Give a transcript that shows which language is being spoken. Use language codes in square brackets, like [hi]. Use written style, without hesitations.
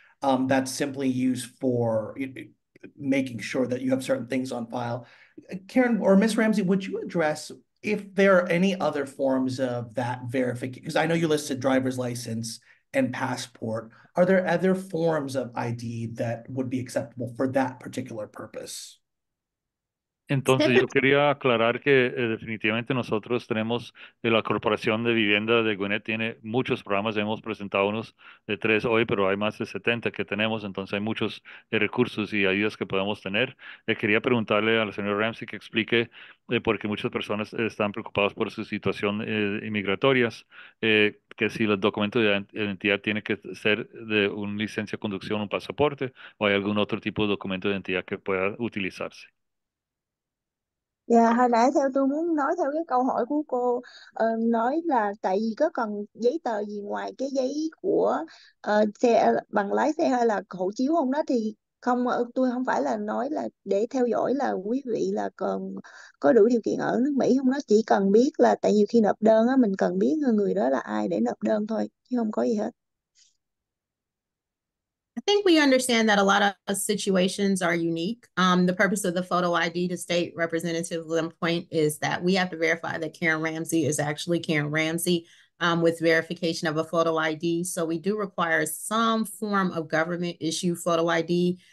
[en] That's simply used for making sure that you have certain things on file. Karen or Miss Ramsey, would you address if there are any other forms of that verification? Because I know you listed driver's license and passport. Are there other forms of ID that would be acceptable for that particular purpose? [es] Entonces, yo quería aclarar que definitivamente nosotros tenemos, la Corporación de Vivienda de Gwinnett tiene muchos programas, hemos presentado unos de 3 hoy, pero hay más de 70 que tenemos, entonces hay muchos recursos y ayudas que podemos tener. Quería preguntarle al señor Ramsey que explique por qué muchas personas están preocupadas por su situación inmigratorias, que si los documentos de identidad tienen que ser de una licencia de conducción, un pasaporte, o hay algún otro tipo de documento de identidad que pueda utilizarse. [vi] Dạ, hồi nãy theo tôi muốn nói theo cái câu hỏi của cô, nói là tại vì có cần giấy tờ gì ngoài cái giấy của xe bằng lái xe hay là hộ chiếu không đó, thì không, tôi không phải là nói là để theo dõi là quý vị là cần có đủ điều kiện ở nước Mỹ không đó, chỉ cần biết là tại nhiều khi nộp đơn á, mình cần biết người đó là ai để nộp đơn thôi, chứ không có gì hết. [en] I think we understand that a lot of situations are unique. The purpose of the photo ID to state Representative Lim's point is that we have to verify that Karen Ramsey is actually Karen Ramsey. with verification of a photo ID. So we do require some form of government issue photo ID.